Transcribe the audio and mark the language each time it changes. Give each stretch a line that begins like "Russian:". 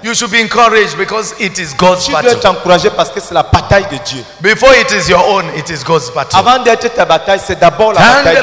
English: You should be encouraged because it is God's battle.
French: Tu dois être encouragé parce que c'est la bataille de Dieu.
English: Before it is your own, it is God's battle.
French: Avant d'être ta bataille, c'est d'abord la bataille de Dieu.